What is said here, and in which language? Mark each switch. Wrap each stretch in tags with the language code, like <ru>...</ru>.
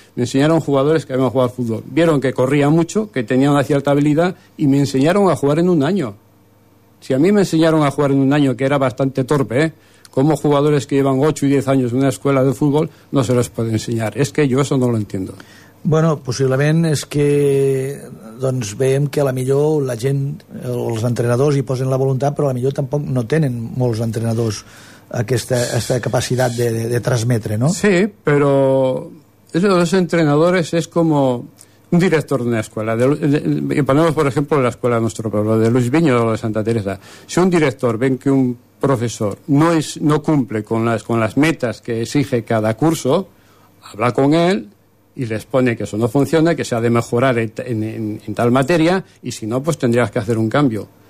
<es>Me enseñaron jugadores que habían jugado al fútbol. Vieron que corría mucho, que tenía una cierta habilidad, y me enseñaron a jugar en un año. Si a mí me enseñaron a jugar en un año, que era bastante torpe, como jugadores que llevan 8 y 10 años en una escuela de fútbol, no se les puede enseñar. Es que yo eso no lo entiendo.</es> <ca>Bueno, possiblement és que doncs veiem que a la millor la gent, els entrenadors hi posen la voluntat, però a la millor tampoc no tenen molts entrenadors aquesta capacitat de transmetre, no? Sí, però els entrenadors és com un director d'una escola.</ca> <es>Ponemos,</es> <ca>per exemple, la escola del nostre poble, de Luis Viño o de Santa Teresa.</ca> <es>Si un director ve que un professor no cumple con las metas que exige cada curso, habla con él y les pone que eso no funciona, que se ha de mejorar en tal materia, y si no, pues tendrías que hacer un cambio.</es>